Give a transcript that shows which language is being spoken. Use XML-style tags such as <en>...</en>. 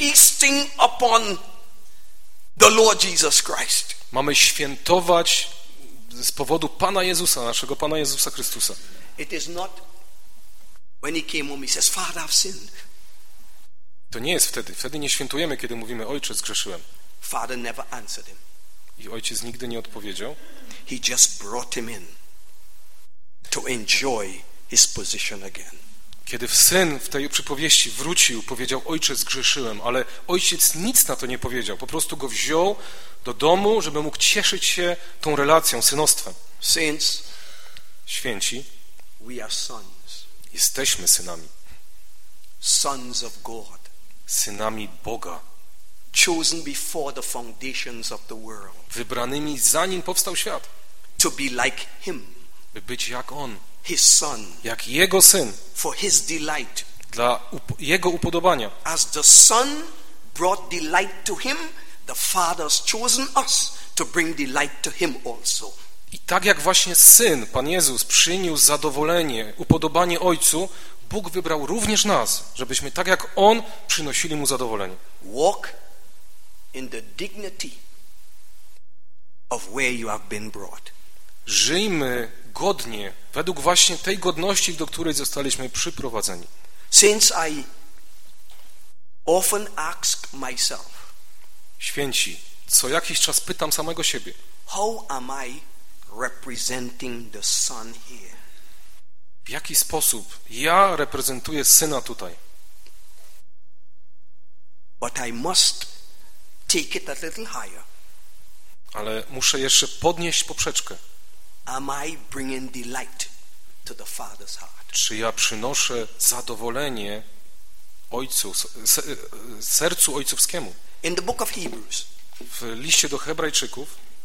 <en>Feasting upon the Lord Jesus Christ.</en> <pl>Mamy świętować z powodu Pana Jezusa, naszego Pana Jezusa Chrystusa.</pl> <en>It is not when he came home, he says, Father, I've sinned.</en> <pl>To nie jest wtedy. Wtedy nie świętujemy, kiedy mówimy: Ojcze, zgrzeszyłem.</pl> <en>Father never answered him.</en> <pl>I ojciec nigdy nie odpowiedział.</pl> <en>He just brought him in to enjoy his position again.</en> <pl>Kiedy syn w tej przypowieści wrócił, powiedział: Ojcze, zgrzeszyłem, ale ojciec nic na to nie powiedział. Po prostu go wziął do domu, żeby mógł cieszyć się tą relacją, synostwem.</pl> <en>Saints,</en> <pl>święci,</pl> <en>we are sons.</en> <pl>Jesteśmy synami.</pl> <en>Sons of God.</en> <pl>Synami Boga.</pl> <en>Chosen before the foundations of the world.</en> <pl>Wybranymi zanim powstał świat.</pl> <en>To be like him.</en> <pl>By być jak on.</pl> <en>His son.</en> <pl>Jak jego syn.</pl> <en>For his delight.</en> <pl>Dla jego upodobania.</pl> <en>As the son brought delight to him, the father's chosen us to bring delight to him also.</en> <pl>I tak jak właśnie syn, Pan Jezus, przyniósł zadowolenie, upodobanie ojcu, Bóg wybrał również nas, żebyśmy tak jak on przynosili mu zadowolenie.</pl> <en>Walk in the dignity of where you have been brought.</en> <pl>Żyjmy godnie, według właśnie tej godności, do której zostaliśmy przyprowadzeni.</pl> <en>Since I often ask myself,</en> <pl>święci, co jakiś czas pytam samego siebie,</pl> <en>how am I representing the Son here?</en> <pl>W jaki sposób ja reprezentuję Syna tutaj?</pl> <en>But I must take it a little higher.</en> <pl>Ale muszę jeszcze podnieść poprzeczkę.</pl> <en>Am I bringing delight to the Father's heart?</en> <pl>Czy ja przynoszę zadowolenie ojcu, sercu ojcowskiemu?</pl> <en>In the book of Hebrews,</en> <pl>w liście do Hebrajczyków,</pl>